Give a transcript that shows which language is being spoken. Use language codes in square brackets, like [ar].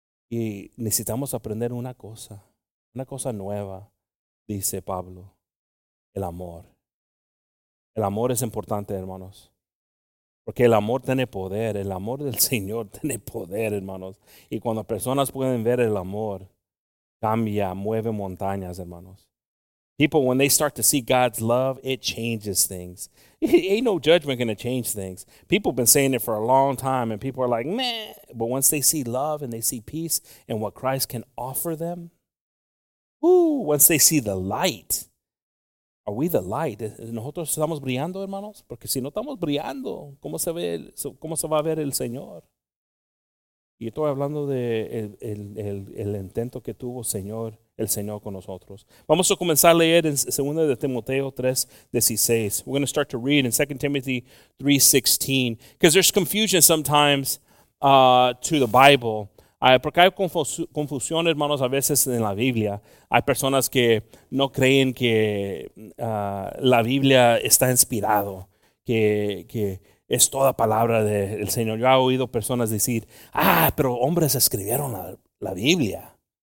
[es] Y necesitamos aprender una cosa nueva, dice Pablo, el amor. El amor es importante, hermanos, porque el amor tiene poder, el amor del Señor tiene poder, hermanos. Y cuando personas pueden ver el amor, cambia, mueve montañas, hermanos. [en] People, when they start to see God's love, it changes things. Ain't no judgment going to change things. People have been saying it for a long time, and people are like, meh. But once they see love and they see peace and what Christ can offer them, ooh, once they see the light, are we the light? [es] ¿Nosotros estamos brillando, hermanos? Porque si no estamos brillando, ¿cómo se va a ver el Señor? Y estoy hablando de el intento que tuvo el Señor con nosotros. Vamos a comenzar a leer en 2 de Timoteo 3:16. [en] We're going to start to read in 2 Timothy 3:16. Because there's confusion sometimes to the Bible. [es] Porque hay confusión, hermanos, a veces en la Biblia. Hay personas que no creen que la Biblia está inspirado, que es toda palabra del Señor. Yo he oído personas decir, pero hombres escribieron la Biblia.